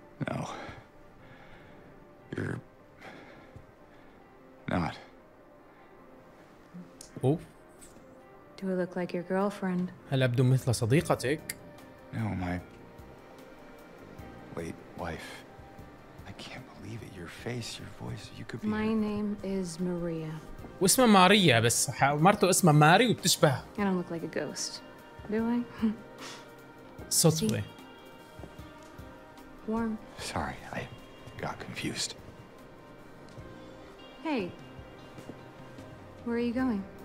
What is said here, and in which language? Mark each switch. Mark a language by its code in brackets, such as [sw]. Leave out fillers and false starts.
[en] No you're not. Oh. Do I look like your girlfriend? [ar] هل أبدو مثل صديقتك؟ [en] No my late wife. I can't believe it. Your face, your voice, you could be. My name is Maria. [ar] واسمها ماريا بس مرته اسمها ماري وبتشبه. [en] I don't look like a ghost, do I? [ar] صوتي. [en] Warm. Sorry, I got confused. Hey, where are you going?